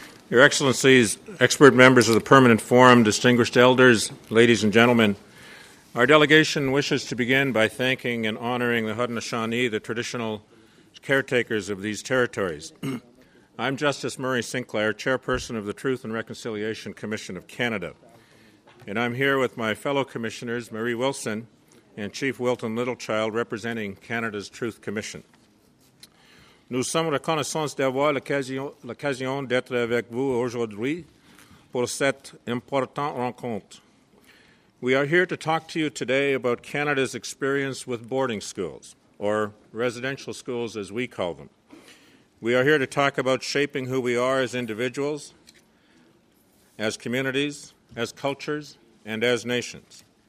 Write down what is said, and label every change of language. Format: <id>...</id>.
<en>Your Excellencies, expert members of the Permanent Forum, distinguished elders, ladies and gentlemen, our delegation wishes to begin by thanking and honoring the Haudenosaunee, the traditional caretakers of these territories. I'm Justice Murray Sinclair, Chairperson of the Truth and Reconciliation Commission of Canada. And I'm here with my fellow commissioners, Marie Wilson and Chief Wilton Littlechild, representing Canada's Truth Commission.</en> <fr>Nous sommes reconnaissants d'avoir l'occasion d'être avec vous aujourd'hui pour cette importante rencontre.</fr> <en>We are here to talk to you today about Canada's experience with boarding schools, or residential schools as we call them. We are here to talk about shaping who we are as individuals, as communities, as cultures, and as nations.</en>